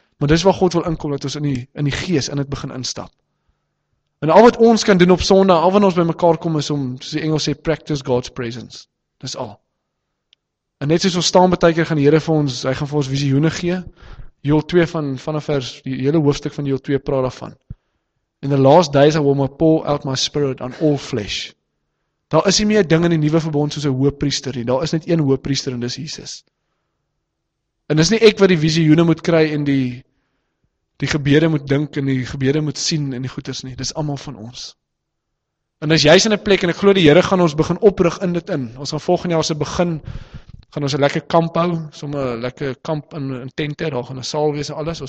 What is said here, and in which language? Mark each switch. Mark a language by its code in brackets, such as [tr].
[af] Maar dis waar God wil inkom, dat ons in die gees in dit begin instap. En al wat ons kan doen op Sondag, al wanneer ons by mekaar kom, is om, soos die Engels sê, [en] practice God's presence. [af] Dis al. En net soos ons staan baie keer, gaan die Here vir ons, hy gaan vir ons visioene gee. Joel 2 die hele hoofstuk van Joel 2 praat daarvan. [en] In the last days I will pour out my spirit on all flesh. [af] Daar is nie meer ding in die nuwe verbond soos 'n hoëpriester nie. Daar is net een hoëpriester en dis Jesus. En dis nie ek wat die visioene moet kry en die gebede moet dink en die gebede moet sien en die goeders nie. Dis almal van ons. En as jy's in 'n plek en ek glo die Here gaan ons begin oprig in dit in. Ons gaan volgende jaar se begin gaan ons 'n lekker kamp hou, sommer 'n lekker kamp in tente, daar gaan 'n saal wees en alles.